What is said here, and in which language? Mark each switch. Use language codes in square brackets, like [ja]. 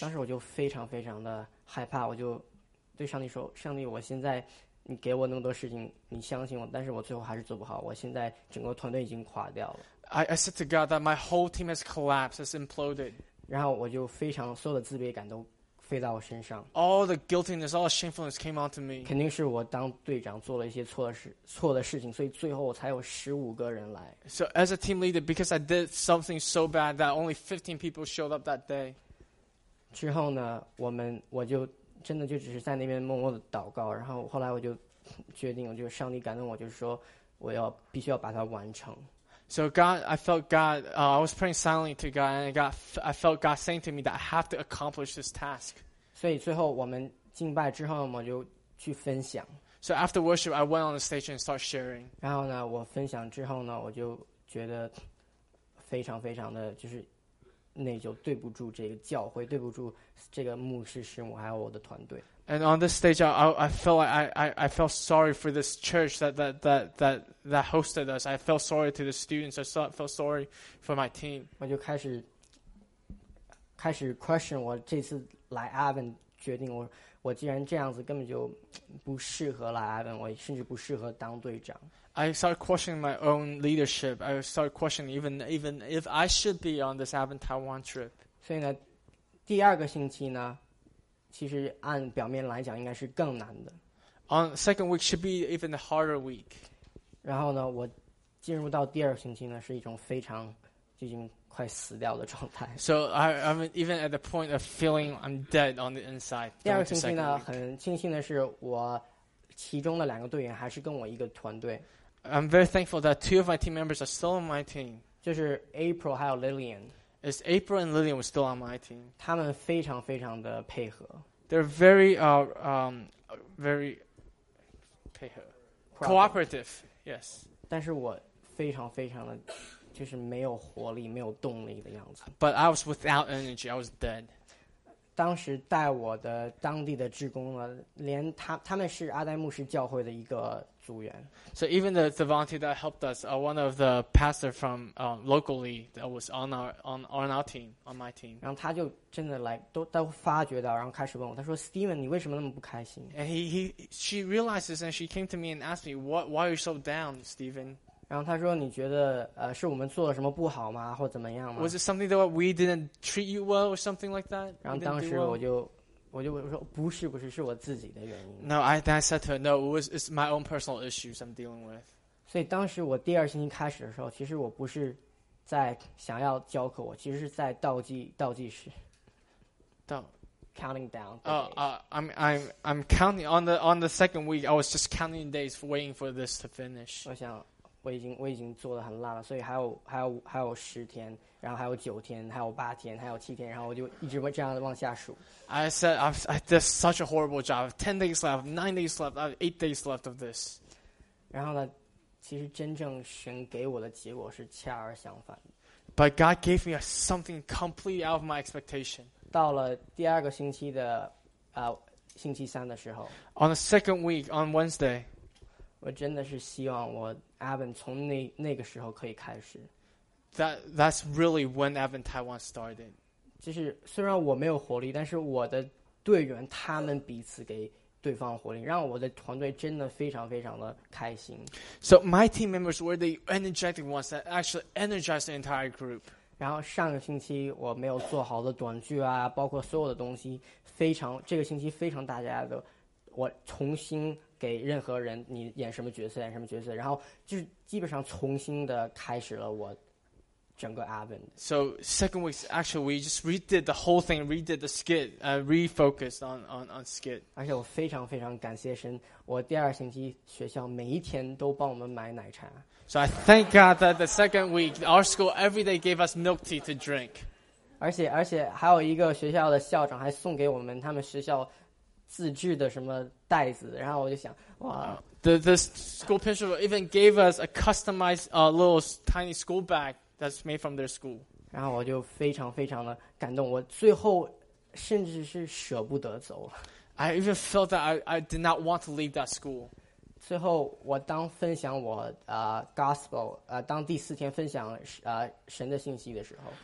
[zh] 当时我就非常非常的害怕，我就对上帝说：“上帝，我现在你给我那么多事情，你相信我，但是我最后还是做不好。我现在整个团队已经垮掉了。 [en] ”I said to God that my whole team has collapsed, has imploded. [zh] 然后我就非常所有的自卑感都。飞到我身上 [en] All the guiltiness, all the shamefulness came onto me. [zh] 肯定是我当队长做了一些错的事情，所以最后我才有十五个人来。 [en] So as a team leader, because I did something so bad that only 15 people showed up that day. [zh] 之后呢，我就真的就只是在那边默默的祷告，然后后来我就决定，我就上帝感动我，就是说我要必须要把它完成。 [en] So God, I felt God, I was praying silently to God, and I felt God saying to me that I have to accomplish this task. [zh] 所以最后我们敬拜之后我就去分享。 [en] So after worship, I went on the stage and started sharing. [zh] 然后呢，我分享之后呢，我就觉得非常非常的就是内疚，对不住这个教会，对不住这个牧师师母，还有我的团队。 [en] And on this stage, I felt sorry for this church that hosted us. I felt sorry to the students. I felt sorry for my team. [zh] 我就开始 question 我这次来 Avon 决定我既然这样子根本就不适合来 Avon， 我甚至不适合当队长。 [en] I started questioning my own leadership. I started questioning even if I should be on this Avon Taiwan trip. [zh] 所以呢，第二个星期呢。其实按表面来讲应该是更难的。 [en] On second week should be even a harder week. [zh] 然后呢，我进入到第二星期呢，是一种非常已经快死掉的状态。 [en] So I'm even at the point of feeling I'm dead on the inside. [zh] 第二星期呢，很庆幸的是，我其中的两个队员还是跟我一个团队。 [en] I'm very thankful that two of my team members are still on my team. [zh] 就是 April 还有 Lillian。 [en] Is April and Lillian were still on my team? [zh] 他们非常非常的配合。 [en] They're very very 配合 cooperative. Yes. [zh] 但是我非常非常的，就是没有活力，没有动力的样子。 [en] But I was without energy. I was dead. [zh] 当时带我的当地的志工呢，连他们是阿呆牧师教会的一个组员。 [en] So even the volunteer that helped us, one of the pastor from locally that was on our team, on my team. [zh] 然后他就真的来都发觉到，然后开始问我，他说 ，Steven， 你为什么那么不开心 [en] ？And she realizes and she came to me and asked me, why are you so down, Steven？ [zh] 然后他说：“你觉得是我们做了什么不好吗，或怎么样吗 [en] ？”Was it something that we didn't treat you well or something like that？ [zh] 然后当时我就说：“不是，不是，是我自己的原因。 [en] ”No, I said to her, "No, it's my own personal issues I'm dealing with." [zh] 所以当时我第二星期开始的时候，其实我不是在想要教课，我其实是在倒计时。 [en] Counting down. I'm counting on the second week. I was just counting days, waiting for this to finish. [zh] 我想。我已经做得很烂了，所以还有十天，然后还有九天，还有八天，还有七天，然后我就一直这样往下数。 [en] I said I did such a horrible job. Ten days left, nine days left, I have eight days left of this. [zh] 然后呢，其实真正神给我的结果是恰而相反。 [en] But God gave me something completely out of my expectation. [zh] 到了第二个星期的星期三的时候。 [en] On the second week, on Wednesday. [zh] 我真的是希望我 Evan 从那个时候可以开始。 [en] That's really when Evan Taiwan started. [zh] 就是虽然我没有活力，但是我的队员他们彼此给对方活力，让我的团队真的非常非常的开心。 [en] So my team members were the energetic ones that actually energized the entire group. [zh] 然后上个星期我没有做好的短剧啊，包括所有的东西，这个星期非常大家的，我重新。给任何人，你演什么角色，演什么角色，然后就是基本上重新的开始了我整个 Evan。 [en] So second week, actually, we just redid the whole thing, redid the skit, refocused on skit. [zh] 而且我非常非常感谢神，我第二星期学校每一天都帮我们买奶茶。 [en] So I thank God that the second week, our school every day gave us milk tea to drink. [zh] 而且还有一个学校的校长还送给我们他们学校。自制的什么袋子，然后我就想，哇 [en] ！The school principal even gave us a customized little tiny school bag that's made from their school. [zh] 然后我就非常非常的感动，我最后甚至是舍不得走。 [en] I even felt that I did not want to leave that school. [zh] 最后，我当分享我gospel 当第四天分享神的信息的时候